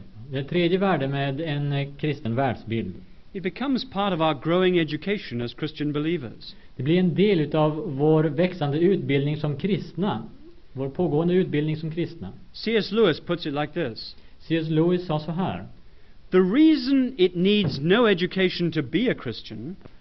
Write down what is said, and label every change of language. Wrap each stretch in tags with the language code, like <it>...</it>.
<sv>Det tredje värde med en kristen världsbild.</sv> <en>It becomes part of our growing education as Christian believers.</en> <sv>Det blir en del utav vår växande utbildning som kristna, vår pågående utbildning som kristna.</sv> <en>C.S. Lewis puts it like this.</en> <sv>C.S. Lewis sa så här.</sv> <en>The reason it needs no education to be a Christian.</en>